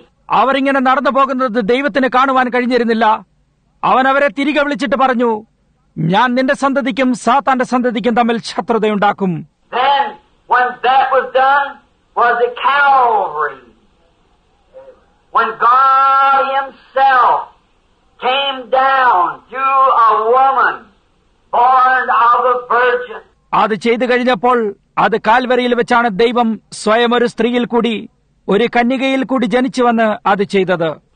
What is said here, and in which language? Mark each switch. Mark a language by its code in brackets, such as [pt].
[ml] അവരിങ്ങനെ നടന്നു പോകുന്നത് ദൈവത്തിന് കാണുവാൻ കഴിഞ്ഞിരുന്നില്ല. അവൻ അവരെ തിരികെ വിളിച്ചിട്ട് പറഞ്ഞു, ഞാൻ നിന്റെ സന്തതിക്കും സാത്താന്റെ സന്തതിക്കും തമ്മിൽ ശത്രുതയുണ്ടാക്കും. [en] Then, when that was done, was the Calvary. When God himself came down to a woman born of a virgin. [ml] അത് ചെയ്തു കഴിഞ്ഞപ്പോൾ അത് കാൽവരിയിൽ വെച്ചാണ് ദൈവം സ്വയം ഒരു സ്ത്രീയിൽ കൂടി ഒരു കന്യകയിൽ കൂടി ജനിച്ചു വന്ന് അത് ചെയ്തത്.